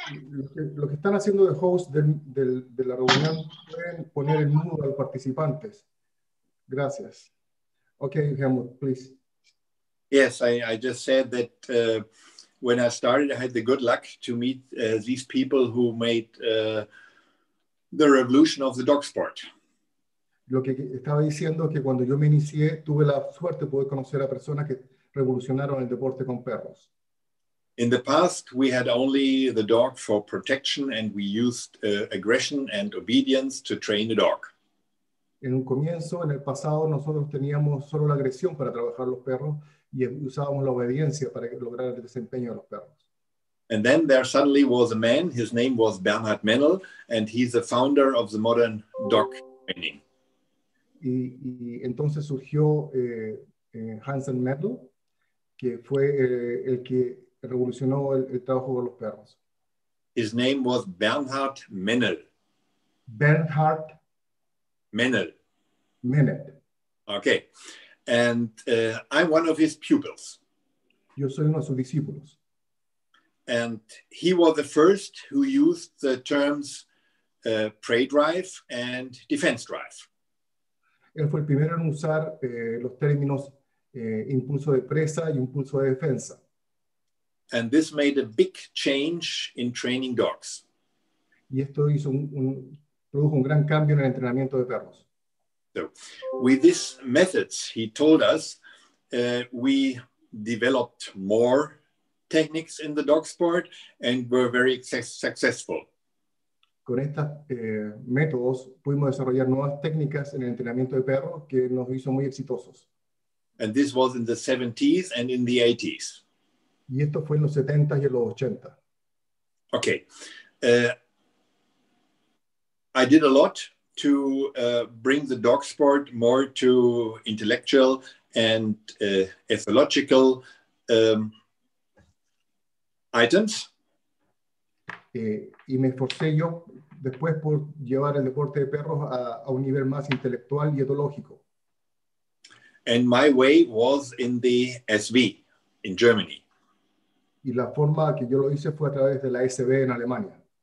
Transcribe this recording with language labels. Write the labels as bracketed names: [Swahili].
[Spanish] Lo que están haciendo de host de la reunión, pueden poner en mudo a los participantes. Gracias. [English] Okay, Helmut, please. Yes, I just said that when I started, I had the good luck to meet these people who made the revolution of the dog sport. [Spanish] Lo que estaba diciendo es que cuando yo me inicié, tuve la suerte de poder conocer a personas que revolucionaron el deporte con perros. [English] In the past, we had only the dog for protection and we used aggression and obedience to train the dog. [Spanish] En un comienzo, en el pasado, nosotros teníamos solo la agresión para trabajar los perros y usábamos la obediencia para lograr el desempeño de los perros. [English] And then there suddenly was a man, his name was Bernhard Menel, and he's the founder of the modern dog training. [Spanish] Y entonces surgió Hansen Medel, que fue el que revolucionó el trabajo con los perros. [English] His name was Bernhard Menel. Bernhard Menel. Menel. Okay. And I'm one of his pupils. [Spanish] Yo soy uno de sus discípulos. [English] And he was the first who used the terms prey drive and defense drive. [Spanish] Él fue el primero en usar los términos impulso de presa y impulso de defensa. [English] And this made a big change in training dogs. [Spanish] Y esto hizo produjo un gran cambio en el entrenamiento de perros. [English] So, with these methods, he told us, we developed more techniques in the dog sport and were very successful. [Spanish] Con estos métodos pudimos desarrollar nuevas técnicas en el entrenamiento de perros que nos hizo muy exitosos. [English] And this was in the 70s and in the 80s. [Spanish] Y esto fue en los 70s y en los 80s. [English] Okay. I did a lot to bring the dog sport more to intellectual and ethological items. [Spanish] Y me esforcé yo después por llevar el deporte de perros a un nivel más intelectual y etológico. [English] And my way was in the SV in Germany. [Spanish] Y la forma que yo lo hice fue a través de la SV en Alemania.